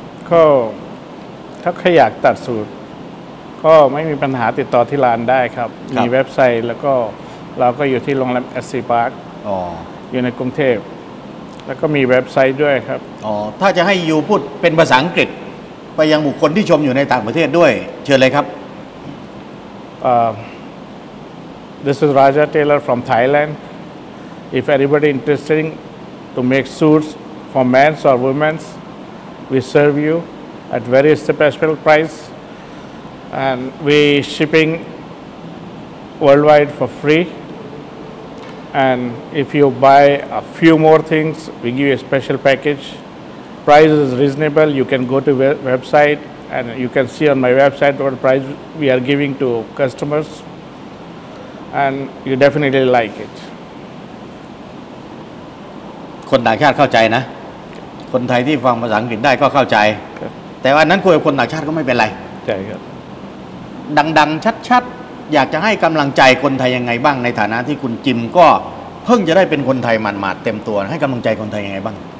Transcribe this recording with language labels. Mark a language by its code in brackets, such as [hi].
[th] ก็ถ้าใครอยากตัดสูตรก็ไม่มีปัญหาติดต่อที่ร้านได้ครับมีเว็บไซต์แล้วก็เราก็อยู่ที่โรงแรมแอสซีพาร์คอยู่ในกรุงเทพแล้วก็มีเว็บไซต์ด้วยครับ อ๋อถ้าจะให้อยู่พูดเป็นภาษาอังกฤษไปยังบุคคลที่ชมอยู่ในต่างประเทศด้วยเชิญเลยครับ [en] This is Raja Taylor from Thailand. If anybody interested to make suits for men or women, we serve you at very special price, and we shipping worldwide for free. And if you buy a few more things, we give you a special package. Price is reasonable. You can go to website and you can see on my website what price we are giving to customers. And you definitely like it. [th] คนต่างชาติเข้าใจนะคนไทยที่ฟังภาษาอังกฤษได้ก็เข้าใจแต่วันนั้นคุยกับคนต่างชาติก็ไม่เป็นไร ใช่ครับ ดังๆชัดๆอยากจะให้กำลังใจคนไทยยังไงบ้างในฐานะที่คุณจิมก็เพิ่งจะได้เป็นคนไทยหมาดๆเต็มตัวให้กำลังใจคนไทยยังไงบ้าง